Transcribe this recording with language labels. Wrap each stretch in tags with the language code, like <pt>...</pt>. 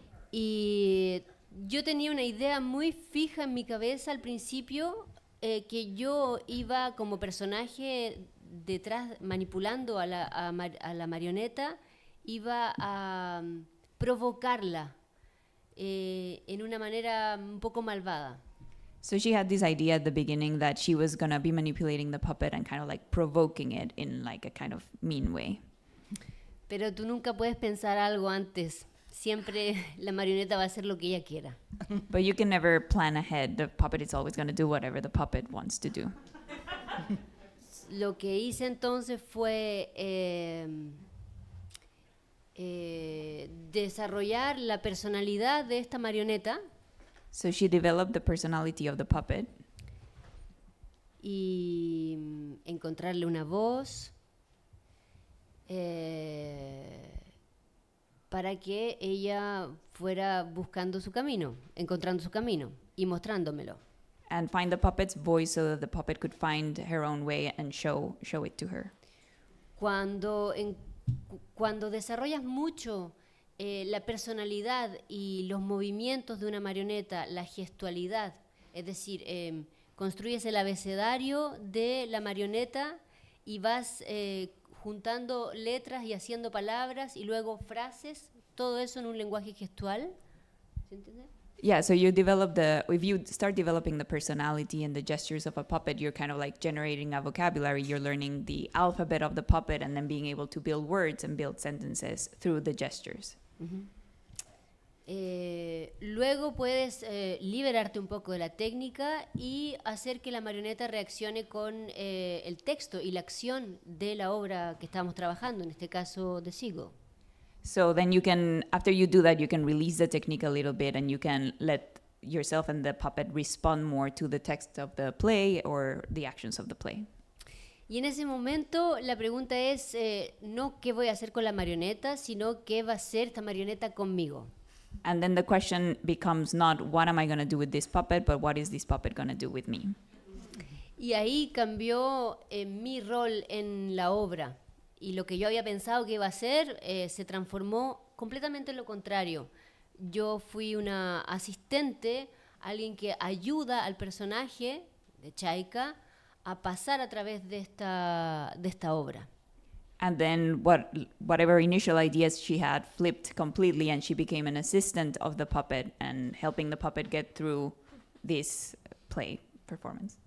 <es>y yo tenía una idea muy fija en mi cabeza al principio, que yo iba como personaje detrás, manipulando a la marioneta, iba a provocarla. En una manera un poco malvada.</es> <en>So she had this idea at the beginning that she was gonna be manipulating the puppet and kind of like provoking it in like a kind of mean way.</en> <es>Pero tú nunca puedes pensar algo antes. Siempre la marioneta va a hacer lo que ella quiera.</es> <en>But you can never plan ahead. The puppet is always gonna do whatever the puppet wants to do.</en> <es>Lo que hice entonces fue desarrollar la personalidad de esta marioneta.</es> <en>So she developed the personality of the puppet.</en> <es>Y encontrarle una voz para que ella fuera buscando su camino, encontrando su camino y mostrándomelo.</es> <en>And find the puppet's voice so that the puppet could find her own way and show it to her.</en> <es>Cuando desarrollas mucho la personalidad y los movimientos de una marioneta, la gestualidad, es decir, construyes el abecedario de la marioneta y vas juntando letras y haciendo palabras y luego frases, todo eso en un lenguaje gestual. ¿Se entiende?</es> <en>Yeah, so you develop if you start developing the personality and the gestures of a puppet, you're kind of like generating a vocabulary. You're learning the alphabet of the puppet and then being able to build words and build sentences through the gestures. Mm-hmm.</en> <es>Luego puedes liberarte un poco de la técnica y hacer que la marioneta reaccione con el texto y la acción de la obra que estamos trabajando, en este caso de Seagull.</es> <en>So then you can, after you do that, you can release the technique a little bit and you can let yourself and the puppet respond more to the text of the play or the actions of the play.</en> <es>Y en ese momento la pregunta es no qué voy a hacer con la marioneta, sino qué va a hacer esta marioneta conmigo.</es> <en>And then the question becomes not what am I going to do with this puppet, but what is this puppet going to do with me?</en> <es>Y ahí cambió mi rol en la obra. Y lo que yo había pensado que iba a hacer se transformó completamente en lo contrario. Yo fui una asistente, alguien que ayuda al personaje de Chayka a pasar a través de esta obra.</es> <en>And then whatever initial ideas she had flipped completely and she became an assistant of the puppet and helping the puppet get through this play performance.</en>